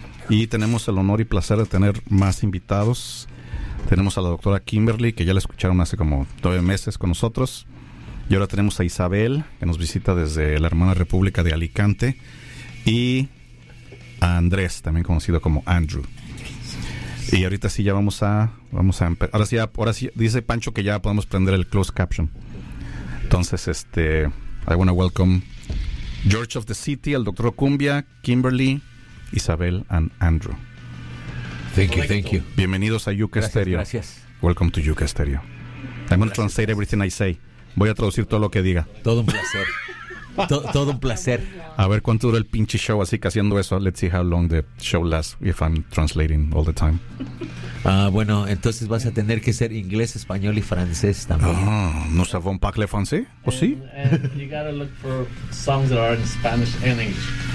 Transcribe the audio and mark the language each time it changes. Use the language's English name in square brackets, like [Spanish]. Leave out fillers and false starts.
[Spanish] Y tenemos el honor y placer de tener más invitados. Tenemos a la doctora Kimberly, que ya la escucharon hace como 9 meses con nosotros. Y ahora tenemos a Isabel, que nos visita desde la hermana República de Alicante. Y a Andrés, también conocido como Andrew. Y ahorita sí ya vamos a ahora sí dice Pancho que ya podemos prender el closed caption. Entonces, [English] I want to welcome George of the City, el doctor Cumbia, Kimberly, Isabel and Andrew. Thank you. [Spanish] Bienvenidos a Yuka Stereo. Gracias. [English] Welcome to Yuka Stereo. I'm going to translate everything I say. [Spanish] Voy a traducir todo lo que diga. Todo un placer. Todo un placer. A ver cuánto dura el pinche show, así que haciendo eso, [English] let's see how long the show lasts if I'm translating all the time. [Spanish] Bueno, entonces vas a tener que ser inglés, español y francés también. Ah, ¿no sabemos [French] pas le français? [Spanish] ¿O [English] and, [Spanish] sí? [English] And you gotta look for songs that are in Spanish and English.